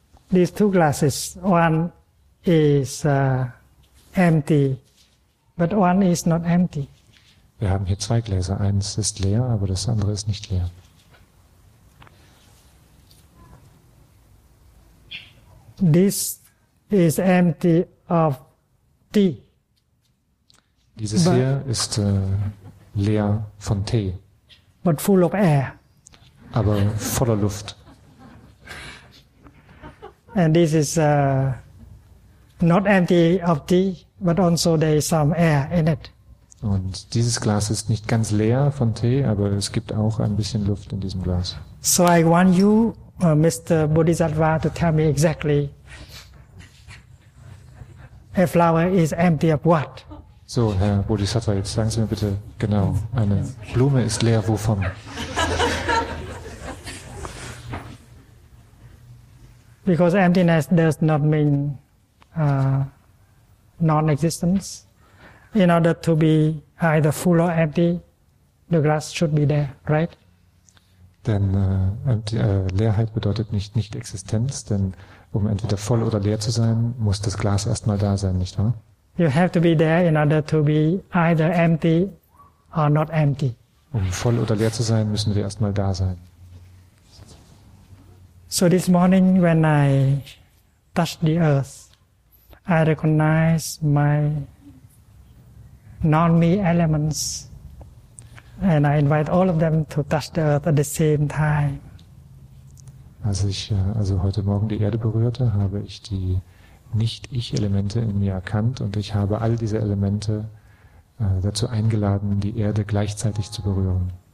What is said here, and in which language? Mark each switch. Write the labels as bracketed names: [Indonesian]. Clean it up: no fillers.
[English] These two glasses, one is empty, but one is not empty. [German] Wir haben hier zwei Gläser, eins ist leer, aber das andere ist nicht leer. [English] This is empty of tea. [German] Dieses hier ist leer von Tee. [English] But full of air. [German] Aber voller Luft. [English] And this is not empty of tea, but also there is some air in it. [German] Und dieses Glas ist nicht ganz leer von Tee, aber es gibt auch ein bisschen Luft in diesem Glas. [English] So I want you, Mr. Bodhisattva, to tell me exactly a flower is empty of what? [German] So, Herr Bodhisattva, jetzt sagen Sie mir bitte genau, eine Blume ist leer wovon? [English] Because emptiness does not mean non-existence. In order to be either full or empty, the glass should be there, right? [German] Denn Leerheit bedeutet nicht Existenz, denn um entweder voll oder leer zu sein, muss das Glas erstmal da sein, nicht wahr? [English] You have to be there in order to be either empty or not empty. [German] Um voll oder leer zu sein, müssen wir erstmal da sein. [English] So this morning when I touched the earth, I recognized my non-me elements and I invite all of them to touch the earth at the same time. [German] Als ich also heute Morgen die Erde berührte, habe ich die Nicht-Ich-Elemente in mir erkannt und ich habe all diese Elemente dazu eingeladen, die Erde gleichzeitig zu berühren.